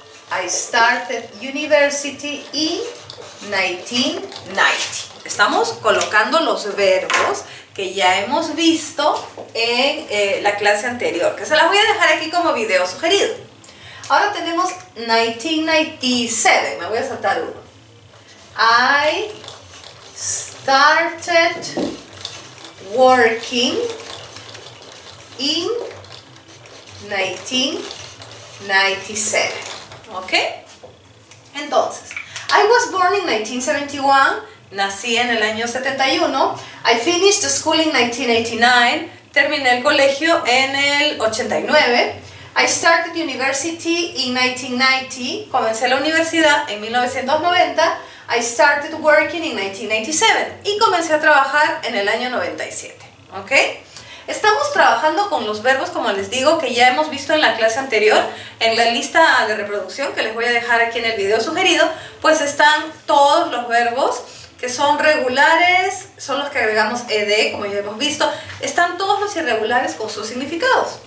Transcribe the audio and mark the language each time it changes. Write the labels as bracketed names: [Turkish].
[English] I started university in 1990. [Spanish] Estamos colocando los verbos que ya hemos visto en la clase anterior, que se las voy a dejar aquí como video sugerido. Ahora tenemos 1997, me voy a saltar uno. [English] I started working in 1997, ¿ok? [Spanish] Entonces, [English] I was born in 1971, [Spanish] nací en el año 71. [English] I finished school in 1989. [Spanish] Terminé el colegio en el 89. [English] I started university in 1990. [Spanish] Comencé la universidad en 1990. [English] I started working in 1997. [Spanish] Y comencé a trabajar en el año 97. ¿Ok? Estamos trabajando con los verbos, como les digo, que ya hemos visto en la clase anterior, en la lista de reproducción que les voy a dejar aquí en el video sugerido, pues están todos los verbos que son regulares, son los que agregamos ed, como ya hemos visto, están todos los irregulares con sus significados.